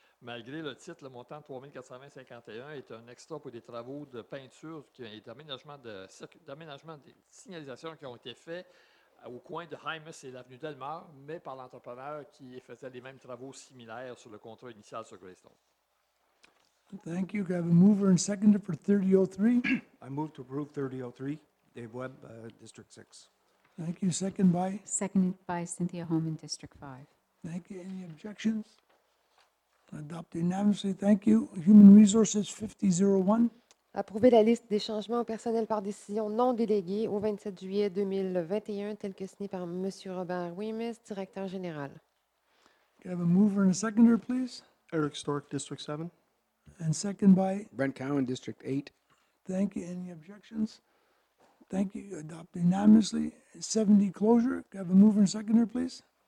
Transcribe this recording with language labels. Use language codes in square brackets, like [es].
[fr] Malgré le titre, le montant 3 420,51 est un extra pour des travaux de peinture et d'aménagement des signalisations qui ont été faits au coin de Hymas et l'avenue Delmar, mais par l'entrepreneur qui faisait les mêmes travaux similaires sur le contrat initial sur Greystone. [en] Thank you. Can I have a mover and seconder for 30.03? I move to approve 30.03. Dave Webb, District 6. Thank you. Second by? Seconded by Cynthia Holman, District 5. Thank you. Any objections? Adopt unanimously. Thank you. Human Resources 50.01. [fr] Approuver la liste des changements au personnel par décision non déléguée au 27 juillet 2021, telle que signée par M. Robert Wimes, Directeur Général. [en] Can I have a mover and a seconder, please? Eric Stork, District 7. And second by? Brent Cowan, District 8. Thank you. Any objections? Thank you. Adopt unanimously. 70 closure. Can I have a mover and seconder, please?